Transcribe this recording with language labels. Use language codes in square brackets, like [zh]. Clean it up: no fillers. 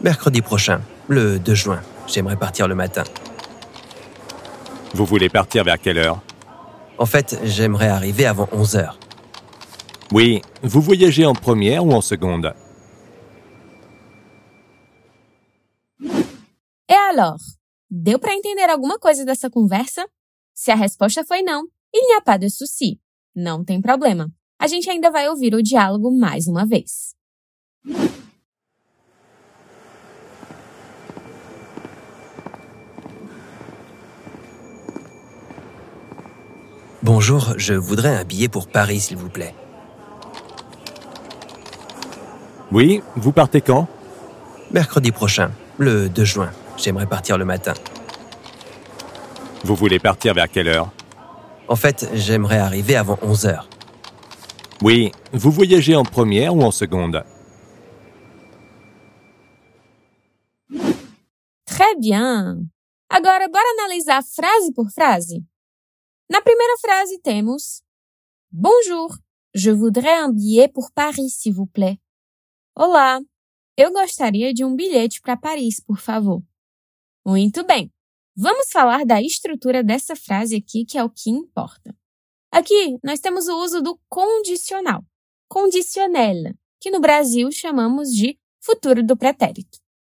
[fr] Mercredi prochain, le 2 juin. J'aimerais partir le matin. Vous voulez partir vers quelle heure ? En fait, j'aimerais arriver avant 11 heures. Oui, vous voyagez en première ou en seconde ? [pt] Et alors, deu para entender alguma coisa dessa conversa ? Se a resposta foi não, [fr] il n'y a pas de souci. [pt] Não tem problema. A gente ainda vai ouvir o diálogo mais uma vez. [fr] Bonjour, je voudrais un billet pour Paris, s'il vous plaît. Oui, vous partez quand ? Mercredi prochain, le 2 juin. J'aimerais partir le matin. Vous voulez partir vers quelle heure ? En fait, j'aimerais arriver avant 11 heures. Oui, vous voyagez en première ou en seconde ? Très bien. [pt] Agora, bora analisar frase por frase. Na primeira frase, temos [fr] Bonjour, je voudrais un billet pour Paris, s'il vous plaît. [pt] Olá, eu gostaria de um bilhete para Paris, por favor. Muito bem. Vamos falar da estrutura dessa frase aqui, que é o que importa. Aqui, nós temos o uso do condicional, conditionnel, que no Brasil chamamos de futuro do pretérito.